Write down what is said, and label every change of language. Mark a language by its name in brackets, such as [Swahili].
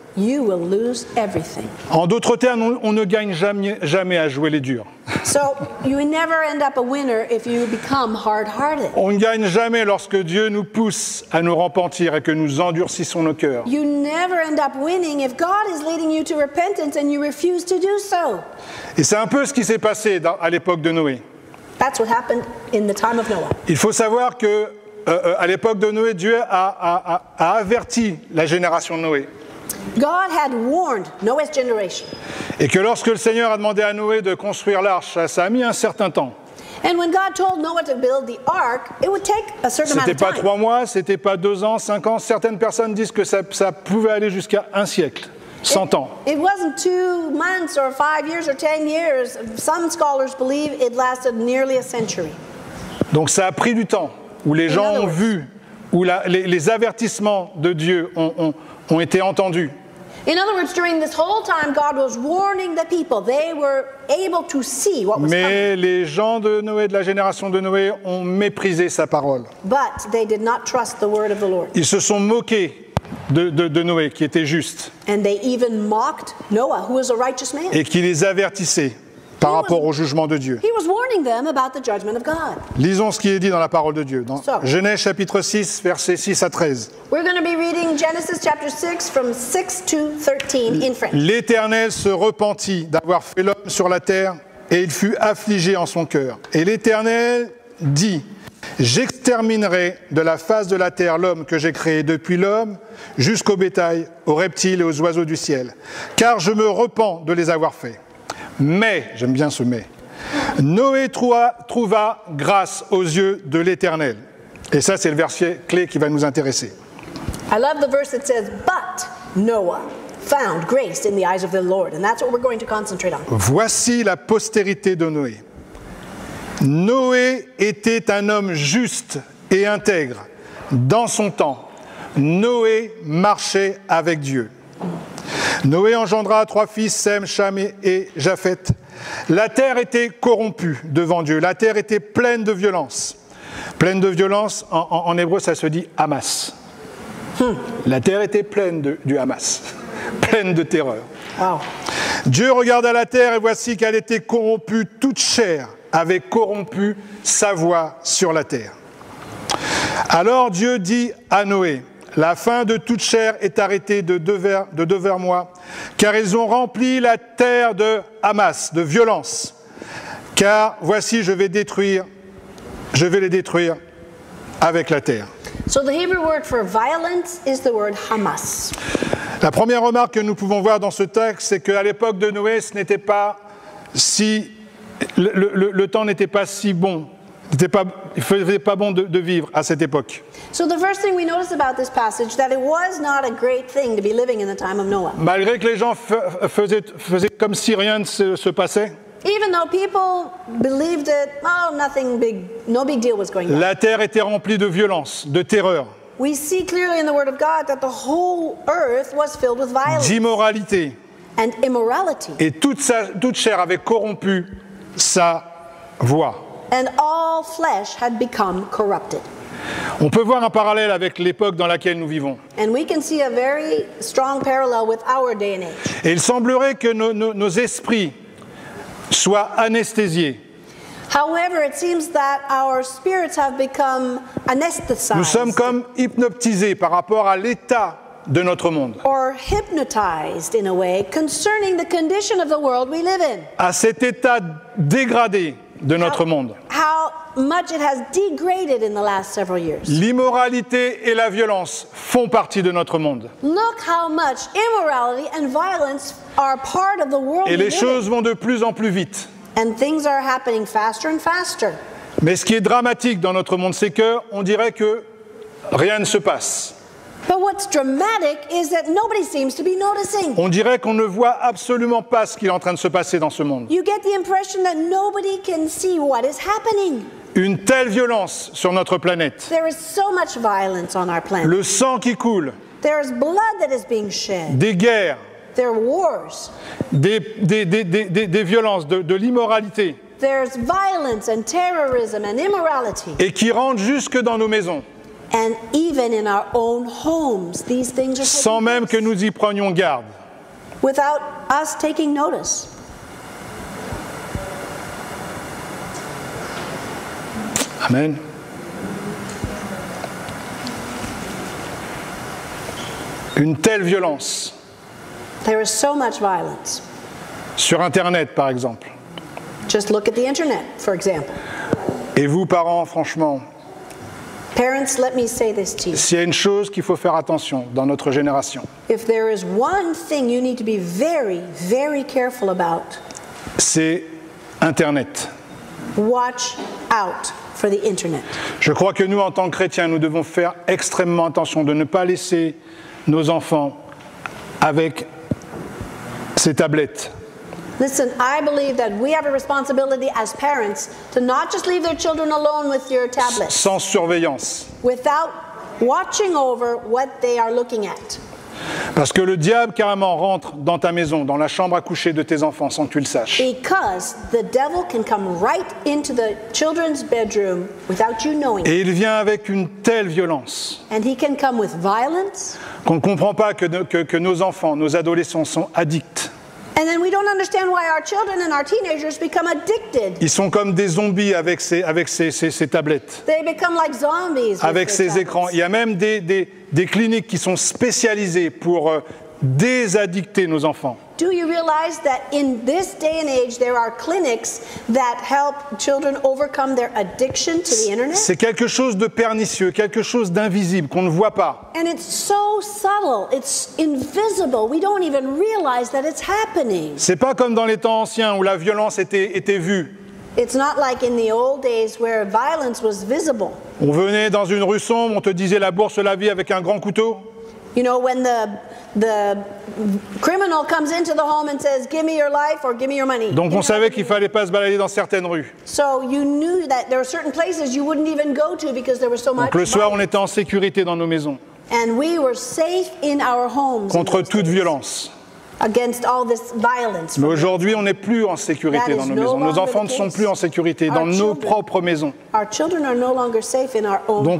[English] You will lose everything. [French] En d'autres termes, on ne gagne jamais à jouer les durs. [English] So you never end up a winner if you become hard-hearted. [French] On ne gagne jamais lorsque Dieu nous pousse à nous repentir et que nous endurcissons nos cœurs. [English] You never end up winning if God is leading you to repentance and you refuse to do so. [French] Et c'est un peu ce qui s'est passé à l'époque de Noé. [English] That's what happened in the time of Noah. [French] Il faut savoir que à l'époque de Noé, Dieu a averti la génération de Noé. [English] God had warned Noah's generation. [French] Et que lorsque le Seigneur a demandé à Noé de construire l'arche, ça a mis un certain temps. [English] And when God told Noah to build the ark, it would take a certain amount of time. [French] C'était pas 3 mois, c'était pas 2 ans, 5 ans, certaines personnes disent que ça pouvait aller jusqu'à un siècle, 100 ans. [English] It wasn't 2 months or 5 years or 10 years. Some scholars believe it lasted nearly a century. [French] Donc ça a pris du temps où les gens ont vu où les avertissements de Dieu ont été entendus. [English] In other words, during this whole time, God was warning the people. They were able to see what was coming. [French] Mais les gens de Noé, de la génération de Noé, ont méprisé sa parole. [English] But they did not trust the word of the Lord. [French] Ils se sont moqués de Noé, qui était juste. [English] And they even mocked Noah, who was a righteous man. [French] Et qui les avertissait par rapport au jugement de Dieu. [English] He was warning them about the judgment of God. [French] Lisons ce qui est dit dans la parole de Dieu. Dans Genèse chapitre 6, versets 6 à 13. [English] We're going to be reading Genesis chapter 6 from 6 to 13 in French. [French] L'Éternel se repentit d'avoir fait l'homme sur la terre, et il fut affligé en son cœur. Et l'Éternel dit, j'exterminerai de la face de la terre l'homme que j'ai créé depuis l'homme jusqu'au bétail, aux reptiles et aux oiseaux du ciel, car je me repens de les avoir faits. Mais, j'aime bien ce mais, Noé trouva grâce aux yeux de l'Éternel. Et ça, c'est le verset clé qui va nous intéresser. [English] I love the verse that says, but Noah found grace in the eyes of the Lord. And that's what we're going to concentrate on. [French] Voici la postérité de Noé. Noé était un homme juste et intègre dans son temps. Noé marchait avec Dieu. Noé engendra 3 fils, Sem, Cham et Japhet. La terre était corrompue devant Dieu. La terre était pleine de violence. Pleine de violence, en hébreu, ça se dit Hamas. La terre était pleine du Hamas. Pleine de terreur. Wow. Dieu regarda la terre et voici qu'elle était corrompue. Toute chair avait corrompu sa voix sur la terre. Alors Dieu dit à Noé, la fin de toute chair est arrêtée de devant moi, car ils ont rempli la terre de Hamas, de violence. Car voici, je vais les détruire avec la terre. [English] So the Hebrew word for violence is the word Hamas. [French] La première remarque que nous pouvons voir dans ce texte, c'est qu'à l'époque de Noé, ce n'était pas si le temps n'était pas si bon. Il ne faisait pas bon de vivre à cette époque. [English] So the first thing we notice about this passage that it was not a great thing to be living in the time of Noah. [French] Malgré que les gens faisaient comme si rien ne se passait. [English] Even though people believed that nothing big, no big deal was going on. [French] La terre était remplie de violence, de terreur. [English] We see clearly in the word of God that the whole earth was filled with violence. [French] D'immoralité. [English] And immorality. [French] Et toute chair avait corrompu sa voix. [English] And all flesh had become corrupted. [French] On peut voir un parallèle avec l'époque dans laquelle nous vivons. [English] And we can see a very strong parallel with our day and age. [French] Et il semblerait que nos esprits soient anesthésiés. [English] However, it seems that our spirits have become anesthetized. [French] Nous sommes comme hypnotisés par rapport à l'état de notre monde. [English] Or hypnotized in a way concerning the condition of the world we live in. [French] À cet état dégradé de notre monde. [English] How much it has degraded in the last several years. [French] L'immoralité et la violence font partie de notre monde. [English] Look how much immorality and violence are part of the world. [French] Et les choses vont de plus en plus vite. [English] And things are happening faster and faster. [French] Mais ce qui est dramatique dans notre monde, c'est que on dirait que rien ne se passe. [English] But what's dramatic is that nobody seems to be noticing. [French] On dirait qu'on ne voit absolument pas ce qui est en train de se passer dans ce monde. [English] You get the impression that nobody can see what is happening. [French] Une telle violence sur notre planète. [English] There is so much violence on our planet. [French] Le sang qui coule. [English] There is blood that is being shed. [French] Des guerres. [English] There are wars. [French] Des violences, de l'immoralité. [English] There's violence and terrorism and immorality. [French] Et qui rentrent jusque dans nos maisons. [English] And even in our own homes, these things are taking place. [French] Sans même que nous y prenions garde. [English] Without us taking notice. Amen. [French] Une telle violence. [English] There is so much violence. [French] Sur Internet, par exemple. [English] Just look at the Internet, for example. [French] Et vous, parents, franchement. [English] Parents, let me say this to you. [French] S'il y a une chose qu'il faut faire attention dans notre génération. [English] If there is one thing you need to be very, very careful about. [French] C'est Internet. [English] Watch out for the Internet. [French] Je crois que nous, en tant que chrétiens, nous devons faire extrêmement attention de ne pas laisser nos enfants avec ces tablettes. [English] Listen, I believe that we have a responsibility as parents to not just leave their children alone with your tablets. [French] Sans surveillance. [English] Without watching over what they are looking at. [French] Parce que le diable carrément rentre dans ta maison, dans la chambre à coucher de tes enfants sans que tu le saches. [English] Because the devil can come right into the children's bedroom without you knowing. [French] Et il vient avec une telle violence. [English] And he can come with violence. [French] Qu'on ne comprend pas que nos enfants, nos adolescents sont addicts. [English] And then we don't understand why our children and our teenagers become addicted. [French] Ils sont comme des zombies avec ces tablettes. [English] They become like zombies. [French] Avec ces écrans. Il y a même des cliniques qui sont spécialisées pour désaddicter nos enfants. [English] Do you realize that in this day and age there are clinics that help children overcome their addiction to the internet? [French] C'est quelque chose de pernicieux, quelque chose d'invisible qu'on ne voit pas. [English] And it's so subtle, it's invisible. We don't even realize that it's happening. [French] C'est pas comme dans les temps anciens où la violence était vue. [English] It's not like in the old days where violence was visible. [French] On venait dans une rue sombre, on te disait la bourse, la vie avec un grand couteau. [English] You know, when the criminal comes into the home and says, give me your life or give me your money. [French] Donc on savait qu'il fallait pas se balader dans certaines rues. [English] So you knew that there are certain places you wouldn't even go to because there were so much. [French] Donc le soir, on était en sécurité dans nos maisons. [English] And we were safe in our homes. [French] Contre toute violence. [English] Against all this violence. [French] Mais aujourd'hui, on n'est plus en sécurité dans nos maisons. Nos enfants ne sont plus en sécurité dans nos propres maisons. [English] Our children are no longer safe in our own homes.